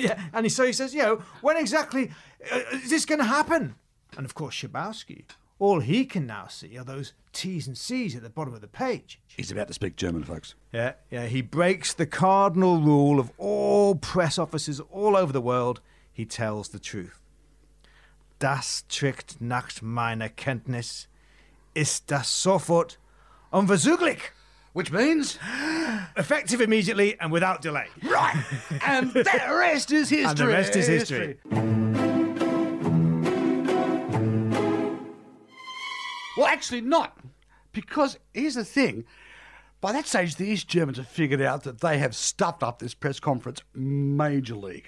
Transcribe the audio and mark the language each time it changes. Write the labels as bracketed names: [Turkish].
[English] Yeah, and so he says, you know, when exactly is this going to happen? And of course, Schabowski, all he can now see are those T's and C's at the bottom of the page. He's about to speak German, folks. Yeah, he breaks the cardinal rule of all press offices all over the world. He tells the truth. [German] Das trägt nach meiner Kenntnis ist das sofort unverzüglich. [English] Which means? Effective immediately and without delay. Right. And the rest is history. And the rest is history. Well, actually not. Because here's the thing. By that stage, the East Germans have figured out that they have stuffed up this press conference majorly.